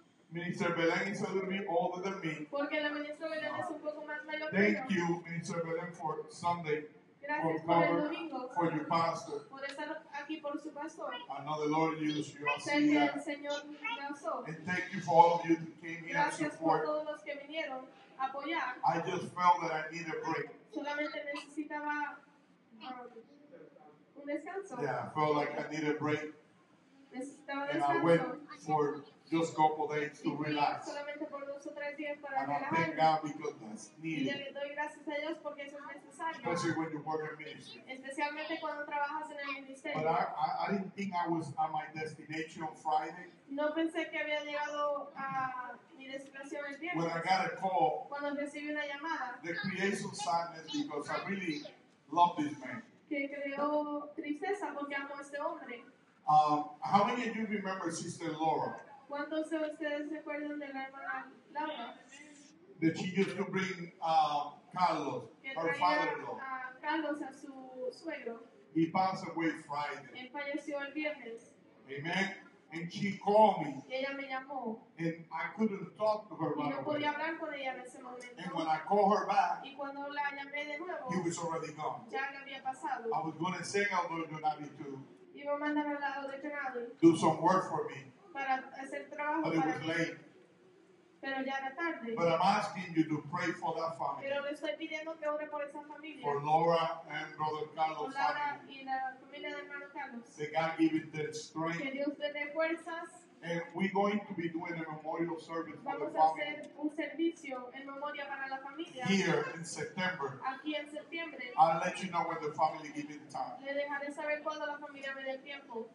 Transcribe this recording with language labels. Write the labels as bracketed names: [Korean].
[English] Minister Belén is a little bit older than me. [Spanish] Porque la ministra Belén es un poco más mayor. [English] Thank you, Minister Belén, for Sunday. [Spanish] Gracias por el domingo, [English] for your pastor. [Spanish] Por estar aquí por su pastor. [English] I know the Lord used you. Thank you, and thank you for all of you who came here [Spanish] gracias [English] and support. [Spanish] Por todos los que vinieron a apoyar. [English] I just felt that I needed a break. [Spanish] Solamente necesitaba un descanso. [English] Yeah, I felt like I needed a break. [Spanish] Necesitaba [English] and [Spanish] descanso. [English] I went for just a couple of days to relax. [Spanish] Solamente por dos o tres días para relajar. [English] I thank God because that's needed. [Spanish] Y le doy gracias a Dios porque eso es necesario. [English] Especially when you work in ministry. [Spanish] Especialmente cuando trabajas en el ministerio. [English] But I didn't think I was at my destination on Friday. [Spanish] No pensé que había llegado a mi destinación el viernes. [English] When I got a call, [Spanish] cuando recibí una llamada, [English] that creates some sadness because I really love this man. [Spanish] Que creó tristeza porque amo a este hombre. [English] How many of you remember Sister Laura? [Spanish] ¿Cuántos de ustedes se acuerdan de la hermana Laura? [English] that she used to bring Carlos, her father-in-law. [Spanish] Carlos a su suegro. [English] He passed away Friday. [Spanish] Él falleció el viernes. [English] Amen. And she called me. [Spanish] Ella me llamó. [English] And I couldn't talk to her. [Spanish] Y no podía hablar con ella en ese momento. [English] And when I called her back, [Spanish] y cuando la llamé de nuevo, [English] he was already gone. [Spanish] Ya había pasado. [English] I was going to send out Lord Donati to [Spanish] iba a mandar al lado de Donati [English] do some work for me. [Spanish] Para hacer trabajo [English] but [Spanish] para [English] it was late. [Spanish] Pero ya era tarde. [English] But I'm asking you to pray for that family. [Spanish] Pero le estoy pidiendo que ore por esa familia. [English] For Laura and Brother Carlos. [Spanish] Por Laura y la familia de hermano Carlos. [English] That God give it the strength. [Spanish] Que Dios dé fuerzas. [English] And we're going to be doing a memorial service [Spanish] vamos [English] for the [Spanish] a [English] family. [Spanish] Hacer un servicio en memoria para la familia. [English] Here in September. [Spanish] Aquí en septiembre. [English] I'll let you know when the family give it time. [Spanish] Le dejaré saber cuando la familia me dé tiempo.